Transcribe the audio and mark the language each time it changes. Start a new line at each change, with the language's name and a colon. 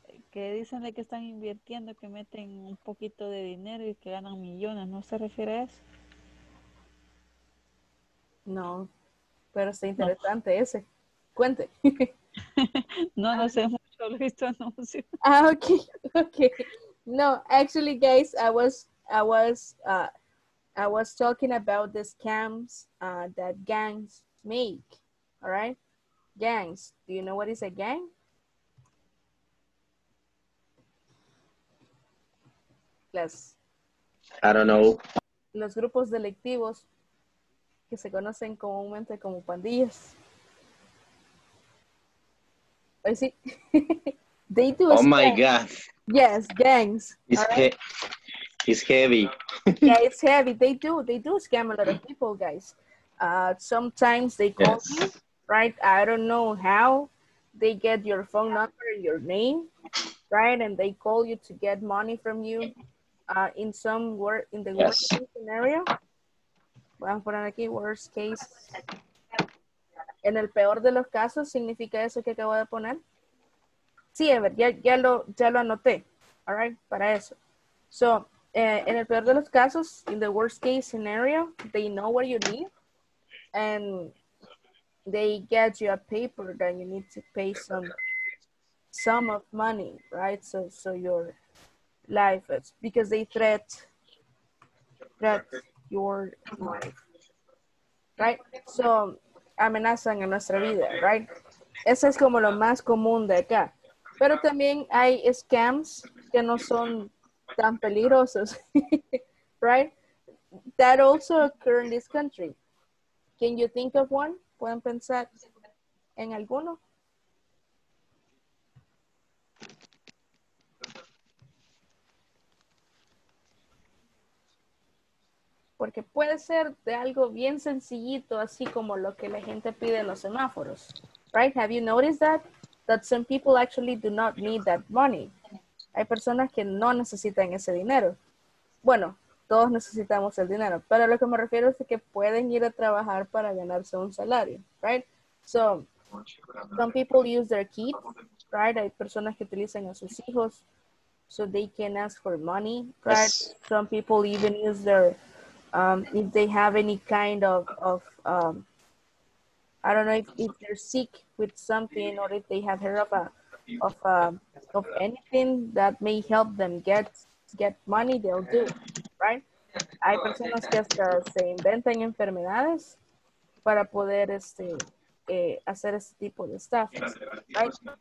Spanish: Que dicen de que están invirtiendo, que meten un poquito de dinero y que ganan millones. ¿No se refiere a eso? No, pero está interesante, no. Ese. Cuente. No, no sé mucho, lo he visto anuncio. Ah, ok, ok.
English: No, actually, guys, I was talking about the scams that gangs make, all right? Gangs. Do you know what is a gang?
Spanish: Les.
English: I don't know.
Spanish: Los grupos delictivos que se conocen comúnmente como pandillas.
English: I see. They do. Oh my God. Yes, gangs. It's heavy. Yeah, it's heavy. They do scam a lot of people, guys. Sometimes they call you. Right, I don't know how they get your phone number and your name, right? And they call you to get money from you in some work in the worst case scenario.
Spanish: Voy a poner aquí,
English: worst case.
Spanish: En el peor de los casos, ¿significa eso que acabo de poner? Sí, Ever, ya lo anoté,
English: all right,
Spanish: para eso.
English: So,
Spanish: en el peor de los casos,
English: in the worst case scenario, they know what you need and they get you a paper that you need to pay some sum of money, right? So your life is because they threat your life, right?
Spanish: So amenazan a nuestra vida, right? Eso es como lo más común de acá. Pero también hay scams que no son tan peligrosos, right?
English: That also occur in this country. Can you think of one?
Spanish: ¿Pueden pensar en alguno? P- porque puede ser de algo bien sencillito, así como lo que la gente pide en los semáforos.
English: Right? Have you noticed that? That some people actually do not need that money.
Spanish: Hay personas que no necesitan ese dinero. Bueno, todos necesitamos el dinero, pero lo que me refiero es que pueden ir a trabajar para ganarse un salario, right?
English: So, some people use their kids, right?
Spanish: Hay personas que utilizan a sus hijos,
English: so they can ask for money, right? Yes. Some people even use their, if they have any kind of I don't know if they're sick with something or if they have heard of a anything that may help them get money, they'll do, right?
Spanish: Hay personas que hasta se inventan enfermedades para poder hacer este tipo de stuff, right?